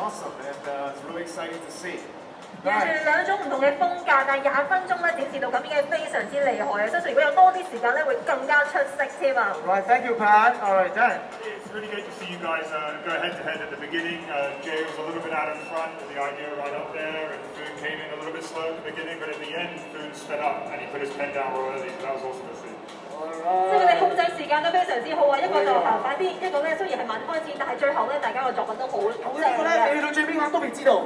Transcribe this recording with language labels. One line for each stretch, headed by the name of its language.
English: Yeah, it's been both of them was really awesome, and it's really exciting to see. Nice.
Cantonese: 兩種不同的風格，但20分鐘展示到咁樣非常之厲害，相信如果有多啲時間會更加出色。
English: Right, thank you, Pat. All right, Dan. It's really great to see you guys go head to head at the beginning. Jay was a little bit out in front with the idea right up there, and Boone came in a little bit slow at the beginning, but in the end, Boone sped up and he put his pen down early. That was awesome to see.
Cantonese: 即係你控制時間都非常之好啊！一個就行快啲，一個咧雖然係慢開始，但係最後咧大家嘅作品都好好正嘅。一個咧去到最邊我都未知道。